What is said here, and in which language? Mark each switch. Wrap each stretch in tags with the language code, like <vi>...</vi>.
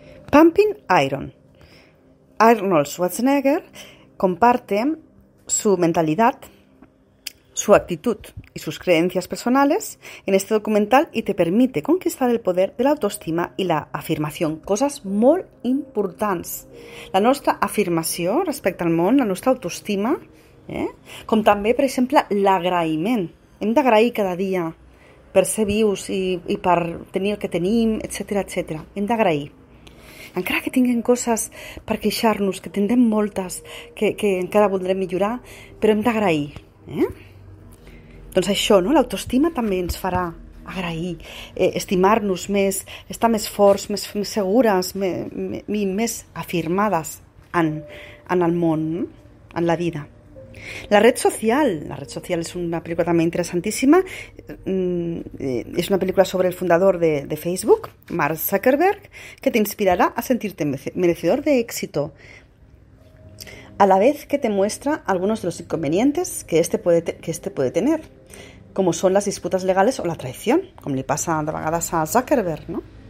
<es>Pumping Iron. Arnold Schwarzenegger comparte su mentalidad, su actitud y sus creencias personales en este documental y te permite conquistar el poder de la autoestima y la afirmación, cosas</es> <ca>molt importants. La nostra afirmació respecte al món, la nostra autoestima, com també, per exemple, l'agraïment. Hem d'agrair cada dia per ser vius i per tenir el que tenim, etc, etc. Hem d'agrair. Encara que tinguem coses per queixar-nos, que tindrem moltes, que encara voldrem millorar, però hem d'agrair, eh? Doncs això, no? L'autoestima també ens farà agrair, estimar-nos més, estar més forts, més segures, més afirmades en el món, en la vida. La red social és una pel·lícula també interessantíssima. És una pel·lícula sobre el fundador de Facebook, Mark Zuckerberg, que t'inspirarà a sentir-te merecedor d'èxito,</ca> <es>a la vez que te muestra algunos de los inconvenientes que este puede tener, como son las disputas legales o la traición, como le pasa</es> <ca>de vegades</ca> <es>a Zuckerberg, ¿no?</es>